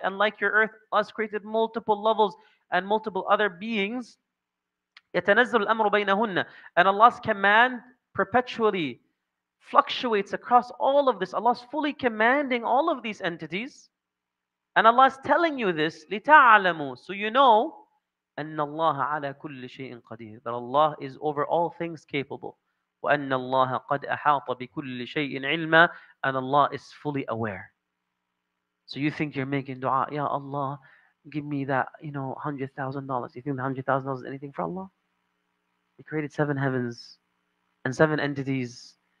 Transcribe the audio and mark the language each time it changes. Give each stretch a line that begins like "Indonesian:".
English: And like your earth, Allah's created multiple levels and multiple other beings.
Arabic: يَتَنَزَّلُ الْأَمْرُ بَيْنَهُنَّ.
English: And Allah's command perpetually fluctuates across all of this. Allah's fully commanding all of these entities. And Allah's telling you this,
Arabic: لِتَعْلَمُوا.
English: So you know,
Arabic: أَنَّ اللَّهَ عَلَى كُلِّ شَيْءٍ قَدِيرٍ.
English: That Allah is over all things capable.
Arabic: وَأَنَّ اللَّهَ قَدْ أَحَاطَ بِكُلِّ شَيْءٍ عِلْمًا.
English: And Allah is fully aware. So you think you're making dua, Ya Allah, give me that, you know, $100,000. You think the $100,000 is anything for Allah? He created seven heavens and seven entities.